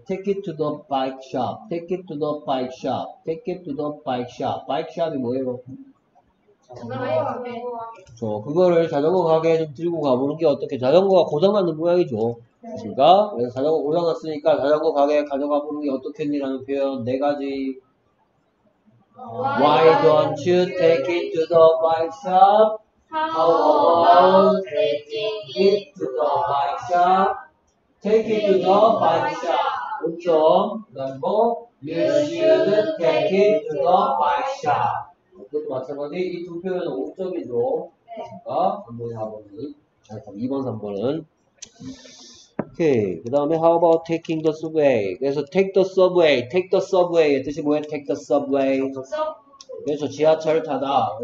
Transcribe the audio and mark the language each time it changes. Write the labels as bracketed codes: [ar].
[en] Take it to the bike shop. Take it to the bike shop. Take it to the bike shop. Bike shop이 [ko] 뭐예요? 자전거 가게. 그거를 자전거 가게 좀 들고 가보는 게 어떻게, 자전거가 고장났는 모양이죠. 그렇습니까? 네. 그래서 자전거 고장났으니까 자전거 가게 가져가 보는 게 어떻겠니? 라는 표현 네 가지. [en] Why don't you take it to the bike shop? How about taking it to the bike shop? Take it to the bike shop. [ko] 그렇죠. 그 다음 뭐? [en] You should take it to the bike shop. [ko] 그것도 마찬가지, 이 두 표현은 5점이죠. 네. 3번, 4번은. 자, 그럼 2번, 3번은. 오케이. 그 다음에, [en] how about taking the subway? [ko] 그래서, [en] take the subway. Take the subway [ko] 의 뜻이 뭐예요? [en] Take the subway. [ko] 그래서, 지하철 타다.